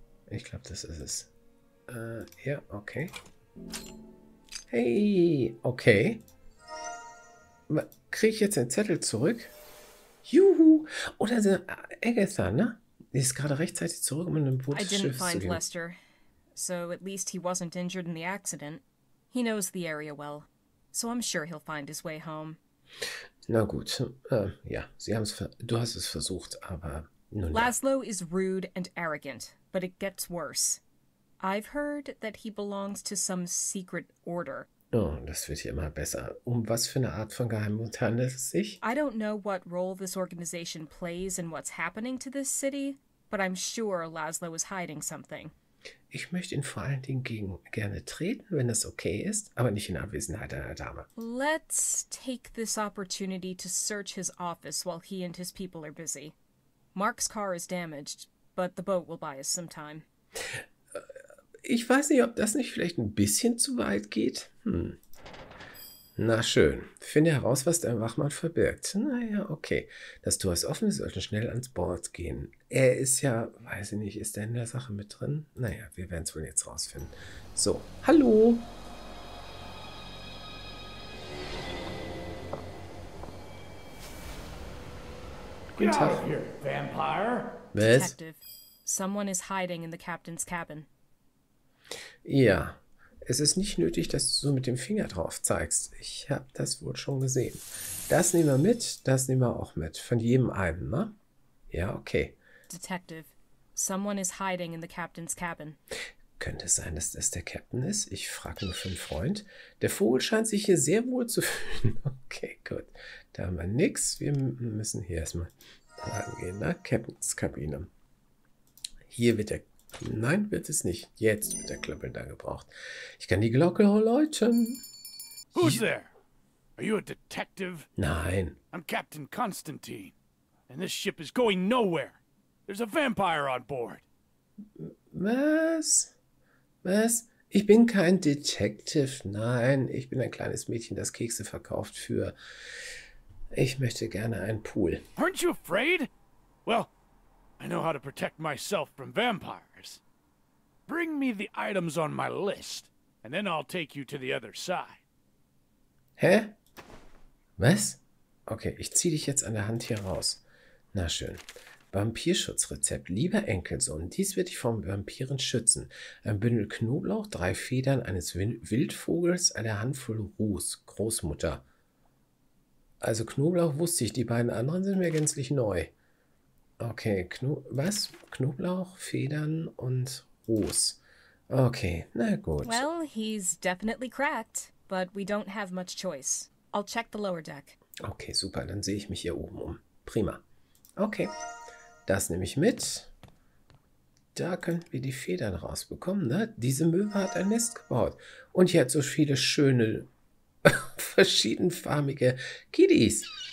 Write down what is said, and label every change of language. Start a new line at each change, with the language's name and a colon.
German: Ich glaube, das ist es. Ja, okay. Hey, okay. Kriege ich jetzt den Zettel zurück? Juhu! Oder so, Agatha, ne? Die ist gerade rechtzeitig zurück, um in einem Boot zu gehen.
English: I didn't find Lester. So at least he wasn't injured in the accident. He knows the area well. So I'm sure he'll find his way home.
German: Na gut. Ja, sie haben es du hast es versucht, aber nun ja.
English: Laszlo is rude and arrogant, but it gets worse. I've heard that he belongs to some secret order.
German: Oh, das wird hier immer besser. Um was für eine Art von Geheimbund handelt es sich?
English: I don't know what role this organization plays in what's happening to this city, but I'm sure Laszlo is hiding something.
German: Ich möchte ihn vor allen Dingen gerne treten, wenn das okay ist, aber nicht in Abwesenheit einer Dame.
English: Let's take this opportunity to search his office while he and his people are busy. Mark's car is damaged, but the boat will buy us some time.
German: Ich weiß nicht, ob das nicht vielleicht ein bisschen zu weit geht. Na schön. Finde heraus, was der Wachmann verbirgt. Naja, okay. Das Tor ist offen, wir sollten schnell ans Board gehen. Er ist ja, weiß ich nicht, ist er in der Sache mit drin? Naja, wir werden es wohl jetzt rausfinden. So, hallo! Guten Tag.
English: Get out of here, Vampire.
German: Was? Detective,
English: someone is hiding in the captain's cabin.
German: Ja, es ist nicht nötig, dass du so mit dem Finger drauf zeigst. Ich habe das wohl schon gesehen. Das nehmen wir mit, das nehmen wir auch mit. Von jedem einen, ne? Ja, okay.
English: Detective, someone is hiding in the captain's cabin.
German: Könnte es sein, dass das der Captain ist? Ich frage nur für einen Freund. Der Vogel scheint sich hier sehr wohl zu fühlen. Okay, gut. Da haben wir nichts. Wir müssen hier erstmal reingehen, ne? Captain's Kabine. Hier wird der... Nein, wird es nicht. Jetzt wird der Klöppel da gebraucht. Ich kann die Glocke läuten.
English: Who's there? Are you a detective?
German: Nein.
English: I'm Captain Constantine. And this ship is going nowhere. There's a vampire on board.
German: Was? Was? Ich bin kein Detective. Nein, ich bin ein kleines Mädchen, das Kekse verkauft für... Ich möchte gerne einen Pool.
English: Aren't you afraid? Well, I know how to protect myself from vampires. Bring me the items on my list, and then I'll take you to the other side.
German: Hä? Was? Okay, ich zieh dich jetzt an der Hand hier raus. Na schön. Vampirschutzrezept. Lieber Enkelsohn, dies wird dich vom Vampiren schützen. Ein Bündel Knoblauch, drei Federn eines Wildvogels, eine Handvoll Ruß. Großmutter. Also Knoblauch wusste ich, die beiden anderen sind mir gänzlich neu. Okay, was? Knoblauch, Federn und... Ruß. Okay, na gut.
English: Well, he's definitely cracked, but we don't have much choice. I'll check the lower deck.
German: Okay, super, dann sehe ich mich hier oben um. Prima. Okay, das nehme ich mit. Da könnten wir die Federn rausbekommen, ne? Diese Möwe hat ein Nest gebaut. Und hier hat so viele schöne, verschiedenfarbige Kiddies.